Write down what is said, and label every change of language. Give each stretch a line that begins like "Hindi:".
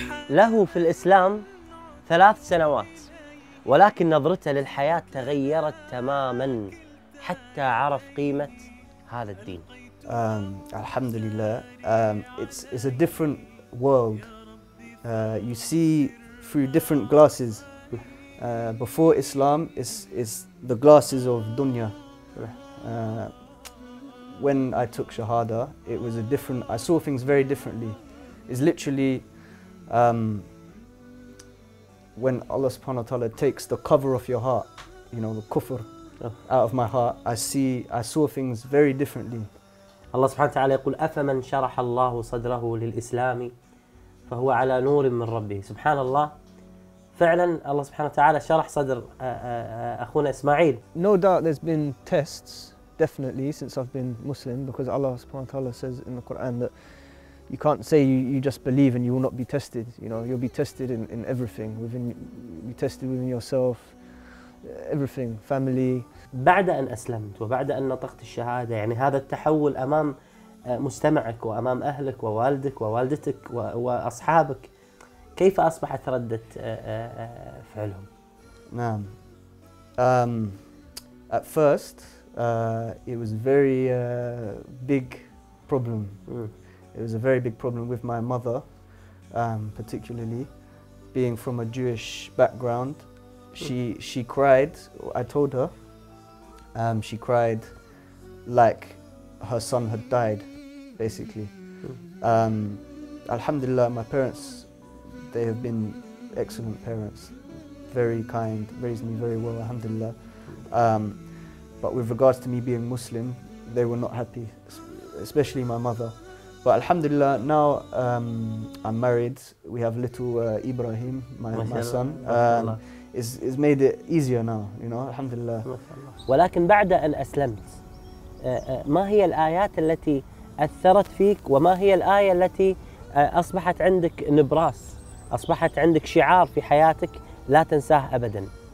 Arabic: له في الإسلام 3 سنوات ولكن نظرته للحياة تغيرت تماماً حتى عرف قيمة هذا الدين. الحمد لله.
English: It's a different world. You see through different glasses. Before Islam is the glasses of dunya. When I took Shahada, it was a different, I saw things very differently. It's literally when Allah subhanahu wa ta'ala takes the cover of your heart, you know, the kufr, out of my heart, I saw things very differently.
Arabic: Allah subhanahu wa ta'ala يقول أَفَمَنْ شَرَحَ اللَّهُ صَدْرَهُ لِلْإِسْلَامِ فَهُوَ عَلَى نُورٍ مِّنْ رَبِّهِ. سبحان الله, فعلا Allah subhanahu wa ta'ala شرح صدر أخونا إسماعيل.
English: No doubt there's been tests, definitely, since I've been Muslim, because Allah subhanahu wa ta'ala says in the Quran that you can't say you just believe and you will not be tested. You know, you'll be tested in everything, you'll be tested within yourself, everything, family.
Arabic: بعد أن أسلمت وبعد أن نطقت الشهادة, يعني هذا التحول أمام مستمعك وأمام أهلك ووالدك ووالدتك وأصحابك, كيف أصبحت ردة فعلهم؟ نعم.
English: At first, it was very big problem. It was a very big problem with my mother, particularly being from a Jewish background. She cried. I told her, she cried like her son had died, basically. Alhamdulillah, my parents, they have been excellent parents. very kind, raised me very well, alhamdulillah. But with regards to me being Muslim, they were not happy, especially my mother. But alhamdulillah, now I'm married. We have little Ibrahim, my son. It's made it easier now, you know, alhamdulillah.
Arabic: ولكن بعد أن أسلمت ما هي الآيات التي أثرت فيك وما هي الآية التي أصبحت عندك نبراس أصبحت عندك شعار في حياتك لا تنساه أبدا